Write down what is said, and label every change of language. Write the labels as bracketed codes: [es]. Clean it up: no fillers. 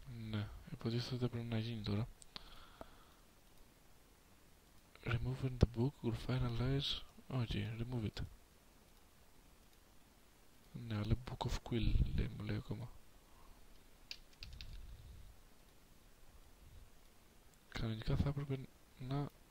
[el] Ναι, υποτίθεται ότι πρέπει να γίνει τώρα. [en] Removing the book will finalize. [el] Όχι, [en] okay, remove it. [el] Ναι, αλλά Book of Quill λέει, μου λέει ακόμα. Κανονικά θα έπρεπε να...